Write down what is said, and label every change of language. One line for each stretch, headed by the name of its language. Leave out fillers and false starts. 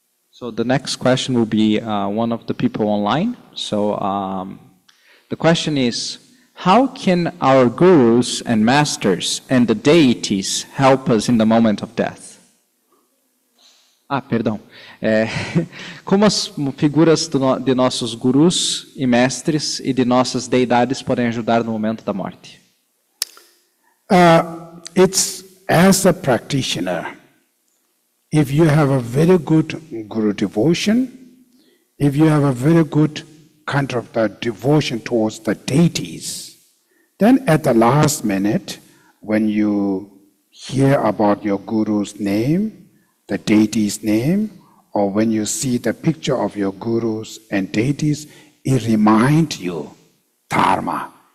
English: So the next question will be one of the people online. So the question is, how can our gurus and masters and the deities help us in the moment of death?
Portuguese: Ah, perdão. Como as figuras de nossos gurus e mestres e de nossas deidades podem ajudar no momento da morte?
English: It's as a practitioner, if you have a very good guru devotion, if you have a very good kind of the devotion towards the deities, then at the last minute, when you hear about your guru's name, the deity's name, or when you see the picture of your gurus and deities, it reminds you dharma.